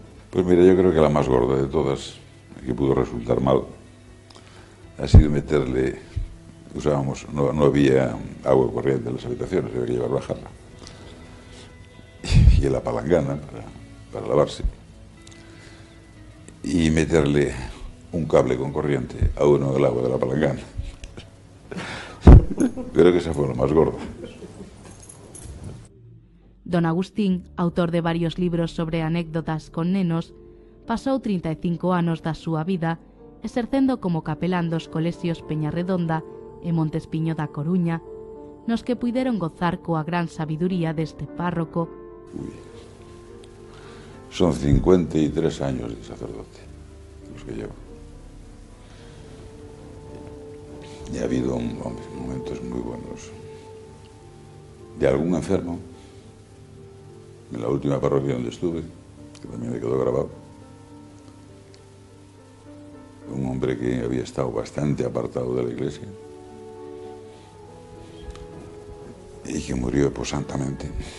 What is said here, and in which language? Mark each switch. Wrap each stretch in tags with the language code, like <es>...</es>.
<es>Pues mira, yo creo que la más gorda de todas, que pudo resultar mal, ha sido meterle, usábamos, no había agua corriente en las habitaciones, había que llevarlo a jarra. Y la palangana, para lavarse y meterle un cable con corriente a uno del agua de la palangana. Creo que esa fue la más gorda.</es> <gl>Don Agustín, autor de varios libros sobre anécdotas con nenos, pasó 35 anos da súa vida exercendo como capelán dos colexios Peñarredonda e Montespiño da Coruña, nos que puideron gozar coa gran sabiduría deste párroco.</gl> <es>Son 53 años de sacerdote los que llevo. Y ha habido momentos muy buenos. De algún enfermo, en la última parroquia donde estuve, que también me quedó grabado, un hombre que había estado bastante apartado de la iglesia y que murió santamente.</es>